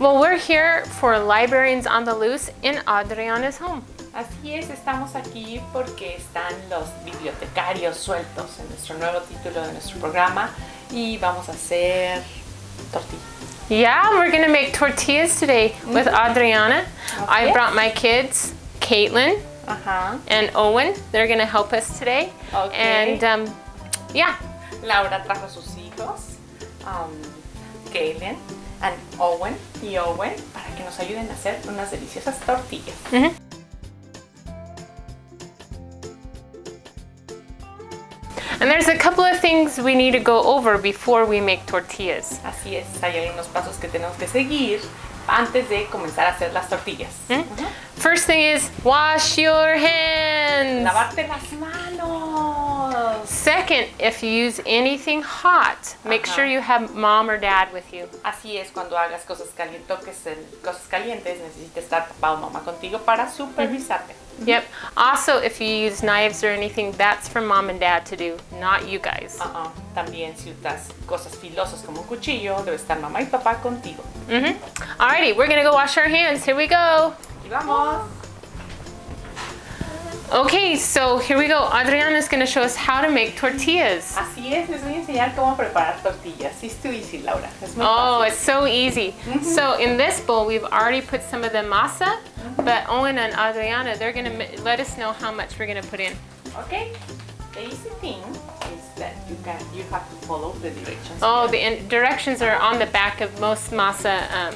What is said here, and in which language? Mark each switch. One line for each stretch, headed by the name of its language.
English: Well, we're here for Librarians on the Loose in Adriana's home.
Spanish: Así es, estamos aquí porque están los bibliotecarios sueltos en nuestro nuevo título de nuestro programa y vamos a hacer tortillas.
English: Yeah, we're going to make tortillas today with Adriana. Okay. I brought my kids, Caitlin and Owen. They're going to help us today. Okay. And yeah.
Spanish: Laura trajo sus hijos, Caitlin and Owen, y Owen, para que nos ayuden a hacer unas deliciosas tortillas.
English: And there's a couple of things we need to go over before we make tortillas.
Spanish: Así es, hay algunos pasos que tenemos que seguir antes de comenzar a hacer las tortillas.
English: First thing is wash your hands.
Spanish: Lavarte las manos.
English: Second, if you use anything hot, make sure you have mom or dad with you.
Spanish: Así es, cuando hagas cosas calientes, necesitas estar papá o mamá contigo para supervisarte.
English: Yep. Also, if you use knives or anything, that's for mom and dad to do, not you guys.
Spanish: También si usas cosas filosas como un cuchillo, debe estar mamá y papá contigo.
English: Alrighty, we're gonna go wash our hands. Here we go.
Spanish: Y vamos.
English: Okay, so here we go. Adriana is gonna show us how to make tortillas.
Spanish: Así es, les voy a enseñar cómo preparar tortillas. Es muy fácil, Laura.
English: It's so easy. So in this bowl, we've already put some of the masa. But Owen and Adriana, they're going to let us know how much we're going to put in. Okay. The easy thing is that you have to follow the directions. Oh, here. The directions are on the back of most masa.